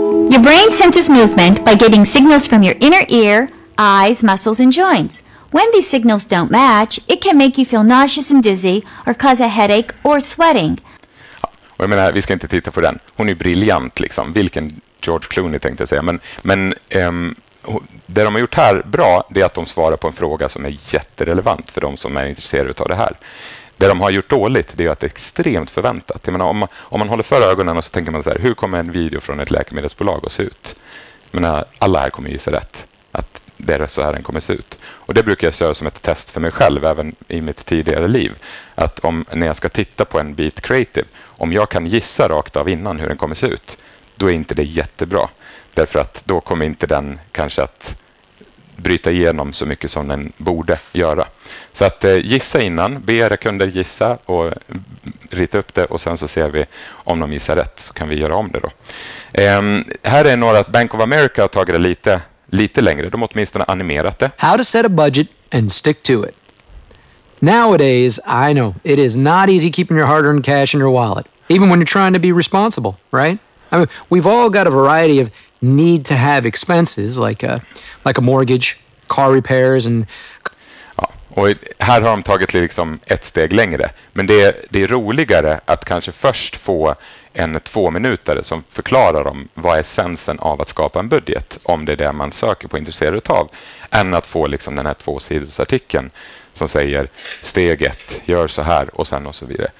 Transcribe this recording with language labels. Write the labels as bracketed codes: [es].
[en] Your brain senses movement by getting signals from your inner ear, eyes, muscles and joints. When these signals don't match, it can make you feel nauseous and dizzy or cause a headache or sweating. [sv] Ja, och jag menar, vi ska inte titta på den. Hon är briljant liksom. Vilken George Clooney tänkte jag säga. Men det de har gjort här bra det är att de svarar på en fråga som är jätterelevant för de som är intresserade av det här. Det de har gjort dåligt det är att det är extremt förväntat. Jag menar, om man håller för ögonen och så tänker man så här, hur kommer en video från ett läkemedelsbolag att se ut? Jag menar, alla här kommer gissa rätt. Att det är så här den kommer se ut. Och det brukar jag göra som ett test för mig själv även i mitt tidigare liv. Att om när jag ska titta på en bit creative, om jag kan gissa rakt av innan hur den kommer se ut, då är inte det jättebra. Därför att då kommer inte den kanske att bryta igenom så mycket som den borde göra. Så att gissa innan, be era kunder gissa och rita upp det och sen så ser vi om de gissar rätt så kan vi göra om det då. Här är några att Bank of America har tagit det lite längre. De har åtminstone animerat det. [en] How to set a budget and stick to it. Nowadays, I know, it is not easy keeping your hard-earned cash in your wallet. Even when you're trying to be responsible, right? I mean, we've all got a variety of need to have expenses like a mortgage, car repairs and... [sv] Ja, och här har de tagit liksom ett steg längre. Men det är roligare att kanske först få en 2 minuter som förklarar om vad är essensen av att skapa en budget, om det är det man söker på och intresserar av, än att få liksom den här 2-sidorsartikeln som säger steg 1, gör så här och sen och så vidare.